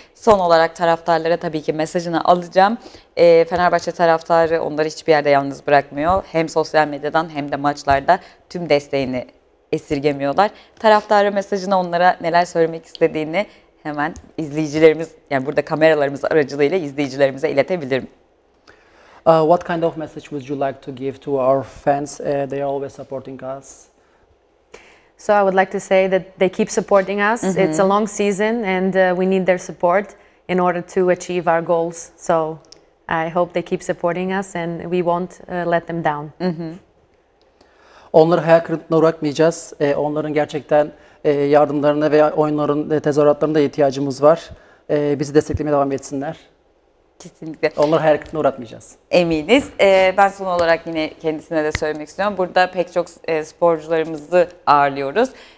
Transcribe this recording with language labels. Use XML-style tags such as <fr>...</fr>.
<tr>Son olarak taraftarlara tabii ki mesajını alacağım. Fenerbahçe taraftarı onları hiçbir yerde yalnız bırakmıyor. Hem sosyal medyadan hem de maçlarda tüm desteğini esirgemiyorlar. Taraftarı mesajına onlara neler söylemek istediğini hemen izleyicilerimiz, yani burada kameralarımız aracılığıyla izleyicilerimize iletebilirim.</tr> <en>What kind of message would you like to give to our fans? They are always supporting us. So I would like to say that they keep supporting us. Mm-hmm. It's a long season and we need their support in order to achieve our goals. So I hope they keep supporting us and we won't let them down.</en> <tr>Mm-hmm. Onları hayal kırıklığına bırakmayacağız. Onların gerçekten yardımlarına veya oyunların tezahüratlarına da ihtiyacımız var. Bizi desteklemeye devam etsinler. Kesinlikle. Onları hayal kırıklığına uğratmayacağız. Eminiz. Ben son olarak yine kendisine de söylemek istiyorum. Burada pek çok sporcularımızı ağırlıyoruz.</tr>